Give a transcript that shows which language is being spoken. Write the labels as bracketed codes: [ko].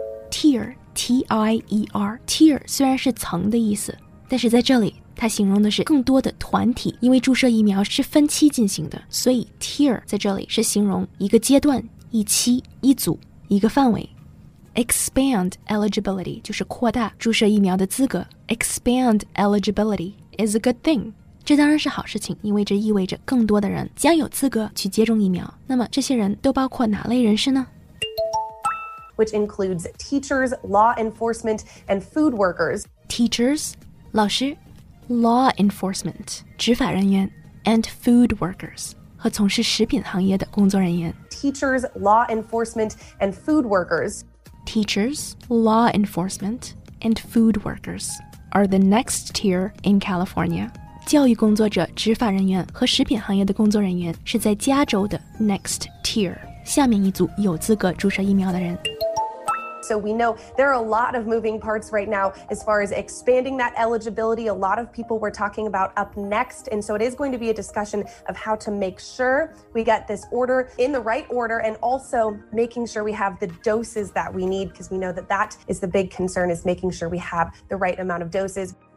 [zh] Tier, T-I-E-R, tier 虽然是层的意思，但是在这里它形容的是更多的团体，因为注射疫苗是分期进行的，所以 tier 在这里是形容一个阶段、一期、一组、一个范围。 Expand eligibility 就是扩大注射疫苗的资格。 [en] Expand eligibility is a good thing. [zh] 这当然是好事情，因为这意味着更多的人将有资格去接种疫苗。那么这些人都包括哪类人士呢？ [en] Which includes teachers, law enforcement, and food workers. [zh] Teachers, 老师。 Law enforcement, 执法人员 and food workers, 和从事食品行业的工作人员 [en] Teachers, law enforcement, and food workers. Teachers, law enforcement, and food workers are the next tier in California. [zh] 教育工作者、执法人员和食品行业的工作人员是在加州的 next tier, 下面一组有资格注射疫苗的人。 [en] So we know there are a lot of moving parts right now as far as expanding that eligibility. A lot of people were talking about up next. And so it is going to be a discussion of how to make sure we get this order in the right order and also making sure we have the doses that we need because we know that that is the big concern is making sure we have the right amount of doses.